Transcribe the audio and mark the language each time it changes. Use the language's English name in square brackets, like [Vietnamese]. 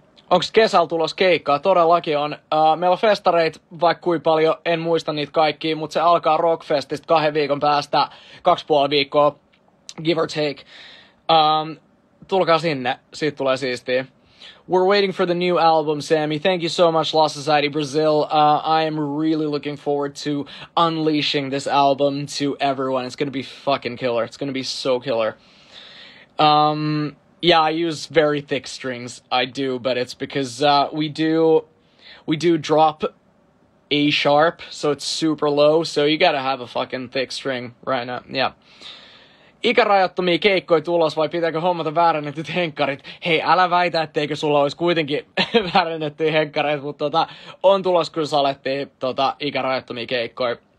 [Finnish] Onks kesällä tulos keikkaa? Todellakin on. Meillä on festareit vaikka kuin paljon, en muista niitä kaikkia, mutta se alkaa rockfestista 2 viikon päästä, 2,5 viikkoa, [English] give or take. [Finnish] Tulkaa sinne, siitä tulee siistiä. [English] We're waiting for the new album, Sammy. Thank you so much, Lost Society Brazil. I am really looking forward to unleashing this album to everyone. It's gonna be fucking killer. It's gonna be so killer. Yeah, I use very thick strings, I do, but it's because we do drop A sharp, so it's super low, so you gotta have a fucking thick string right now, yeah. [Finnish] Ikärajattomia keikkoja tulos vai pitääkö hommata väärennetyt henkkarit? Hei, älä väitä, etteikö sulla olisi kuitenkin väärennettyjä henkkareita, mutta on tulos, kun salettiin ikärajattomia keikkoja.